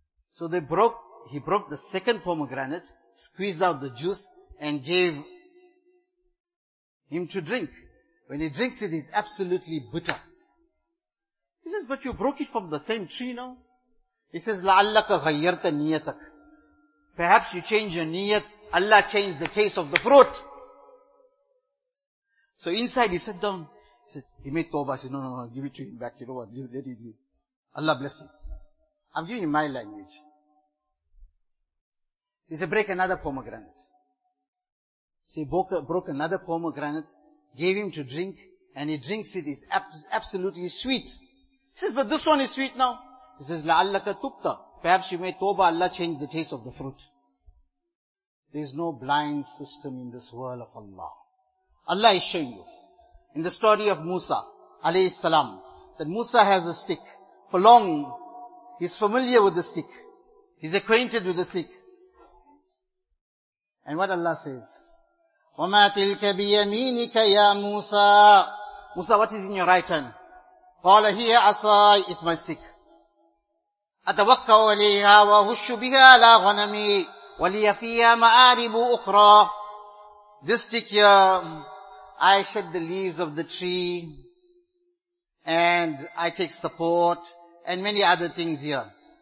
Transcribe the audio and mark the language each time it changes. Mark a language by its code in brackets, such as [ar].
[en] So they broke, he broke the second pomegranate, squeezed out the juice, and gave him to drink. When he drinks it, he's absolutely bitter. He says, but you broke it from the same tree, no? He says, [ar] لَعَلَّكَ غَيَّرْتَ نِيَّتَكَ. [en] Perhaps you change your niyat, Allah changed the taste of the fruit. So inside he sat down, he said, he made tawbah, he said, no, give it to him back, you know what, let it be. Allah bless him. I'm giving you my language. He said, break another pomegranate. So he broke another pomegranate, gave him to drink, and he drinks it, it's absolutely sweet. He says, but this one is sweet now. He says, [ar] لَعَلَّكَ تُبْتَ. [en] Perhaps you may toba, Allah change the taste of the fruit. There is no blind system in this world of Allah. Allah is showing you. In the story of Musa, alayhi salam, that Musa has a stick. For long, he's familiar with the stick. He's acquainted with the stick. And what Allah says, [ar] وَمَا تِلْكَ بِيَمِينِكَ يَا مُوسَى. [en] Musa, what is in your right hand? [ar] قَالَ هِيَ عَصَايَ. [en] It's my stick. [ar] أَتَوَكَّأُ عَلَيْهَا وَهُشُّ بِهَا عَلَى غَنَمِي وَلِيَ فِيهَا مَآرِبُ أُخْرَى. [en] This stick here, I shed the leaves of the tree, and I take support, and many other things here.